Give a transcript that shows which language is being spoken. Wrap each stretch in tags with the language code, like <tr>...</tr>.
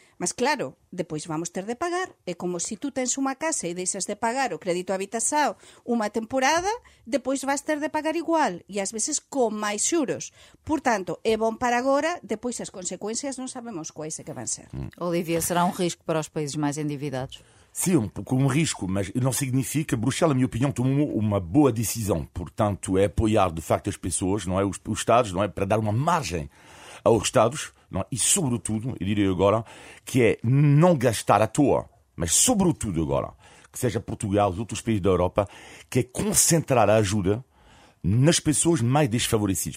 <pt>Mas claro, depois vamos ter de pagar.</pt> <gl>É como se tu tens unha casa e deixas de pagar o crédito habitação unha temporada, depois vas ter de pagar igual, e ás veces con máis xuros. Portanto, é bom para agora, depois as consecuencias non sabemos quais é que van ser. Olivia, será un risco para os países máis endividados?</gl> <pt>Sim, um risco, mas não significa. Bruxelas, na minha opinião, tomou uma boa decisão. Portanto, é apoiar de facto as pessoas, não é? Os Estados, não é? Para dar uma margem aos Estados, não é? E sobretudo, eu diria agora, que é não gastar à toa, mas sobretudo agora, que seja Portugal, outros países da Europa, que é concentrar a ajuda nas pessoas mais desfavorecidas.</pt>